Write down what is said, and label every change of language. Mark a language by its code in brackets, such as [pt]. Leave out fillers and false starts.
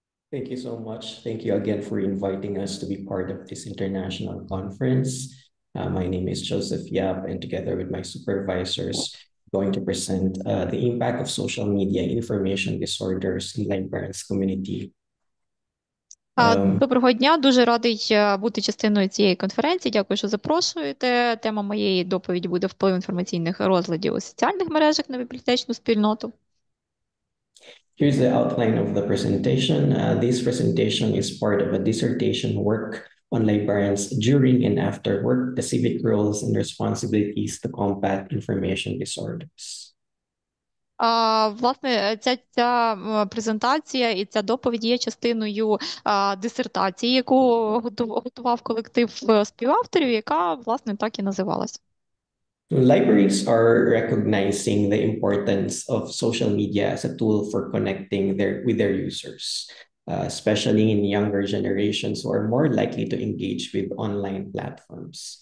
[en] Thank you so much. Thank you again for inviting us to be part of this international conference. My name is Joseph Yap, and together with my supervisors, going to present the impact of social media information disorders in librarians community. [uk] Доброго дня, дуже радий бути частиною цієї конференції. Дякую, що запрошуєте. Тема моєї доповіді буде вплив інформаційних розладів у соціальних мережах на бібліотечну спільноту. [en] Here's the outline of the presentation. This presentation is part of a dissertation work on librarians during and after work, the civic roles and responsibilities to combat information disorders. [uk] Власне, ця презентація і ця доповідь є частиною дисертації, яку готував колектив співавторів, яка, власне, так і називалась. [en] Libraries are recognizing the importance of social media as a tool for connecting with their users, especially in younger generations who are more likely to engage with online platforms.